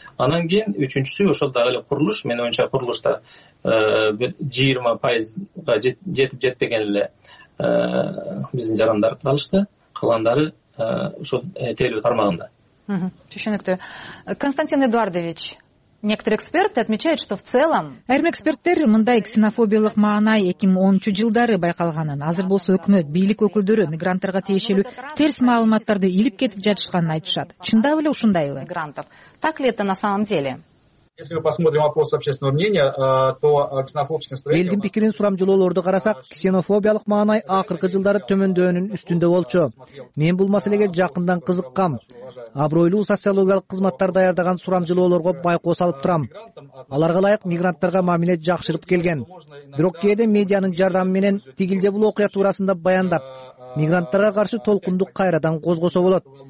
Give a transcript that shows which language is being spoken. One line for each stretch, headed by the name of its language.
Kyrgyz: Анан кийин үчүнчүсү ошол дагы эле курулуш. Менин оюмча курулушта 20%га жетип жетпеген эле биздин жарандар калышты, калгандары ошол тейлөө тармагында. Түшүнүктүү.
Russian: Константин Эдуардович, некоторые эксперты отмечают, что в целом...
Kyrgyz: Эрм эксперттер мындай ксенофобиялык маана 2010 жылдары байкалганын, азыр болсо өкмөт, бийлик өкүлдөрү мигранттарга тиешелүү терс маалыматтарды илип кетип жатышканын айтышат. Чындап эле ушундайбы?
Russian: Так ли это на самом деле? Если мы посмотрим вопрос общественного мнения, то ксенофобский настроение...
Kyrgyz: Элдин пикирин сурамжылоолорду карасак, ксенофобиялык маанай акыркы жылдары төмөндөөнүн үстүндө болчу. Мен бул маселеге жакындан кызыккам. Абройлуу социологиялык кызматтар даярдаган сурамжылоолорго байкоо салып турам. Аларга ылайык, мигранттарга мамиле жакшырып келген. Бирок кээде медианын жардамы менен тигилде бул окуя туурасында баяндап, мигранттарга каршы толкундук кайрадан козгосо болот.